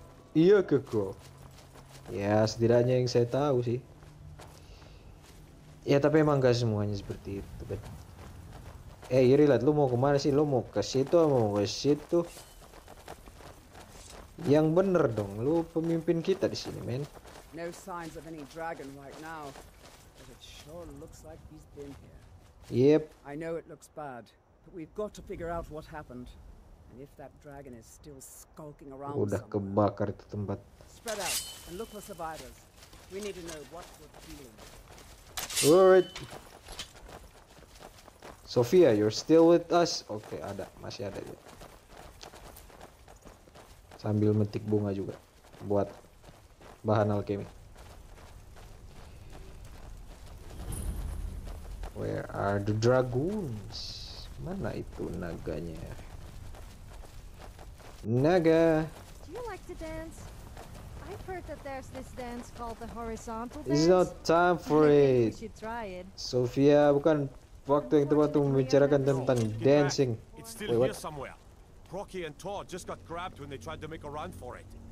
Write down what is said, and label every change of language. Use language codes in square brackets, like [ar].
[id] Iya keko. Ya setidaknya yang saya tahu sih. Ya tapi emang gak semuanya seperti itu. Irilat, lu mau kemana sih? Lu mau ke situ atau mau ke situ? Yang bener dong, lu pemimpin kita di sini, men. [en] No signs of any dragon right now, but it sure looks like he's been here. Yep. I know it looks bad, but we've got to figure out what happened, and if that dragon is still skulking around. [id] Udah kebakar itu tempat. [en] Spread out and look for survivors. We need to know what we're feeling. Alright. Sophia, you're still with us? Okay, [id] ada, masih ada ya. Sambil metik bunga juga, buat bahan alkemi. [en] Where are the dragoons? [id] Mana itu naganya? Naga. [en] Do you like to dance? I've heard that there's this dance called the horizontal dance. It's not time for it. We should try it. [id] Sophia, bukan waktu yang tepat untuk membicarakan tentang dancing. [en] It's still here somewhere. Brocky and Todd just got grabbed when they tried to make a run for it.